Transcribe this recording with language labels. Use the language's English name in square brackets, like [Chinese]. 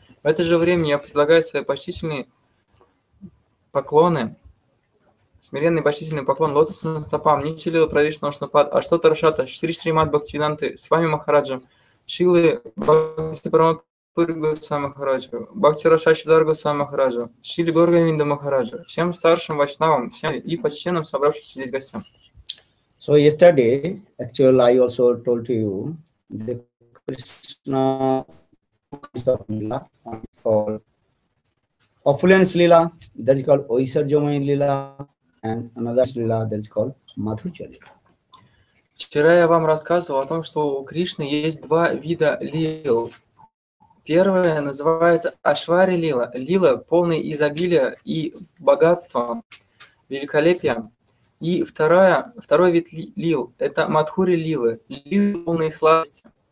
[Russian] В это же время я предлагаю свои почтительные поклоны, смиренный почтительный поклон лотосным стопам Нитилил Правишнам Шнупада Аштутара Шата Шри Шримад Бхактивиданты Свами Махараджа. Шилы Бхактипарамат всем старшим вайшнавам, всем и почтенным собравшимся здесь гостям. [English] So yesterday, actually, I also told to you the Krishna is of lila, called opulence lila, that is called oisarjamay lila, and another lila that is called madhurya lila. [Russian] Вчера я вам рассказывал о том, что у Кришны есть два вида лил. Первая называется Ашвари Лила, лила полная изобилия и богатства, великолепия. И вторая, второй вид лил – это мадхури лилы, лилы полные сладости.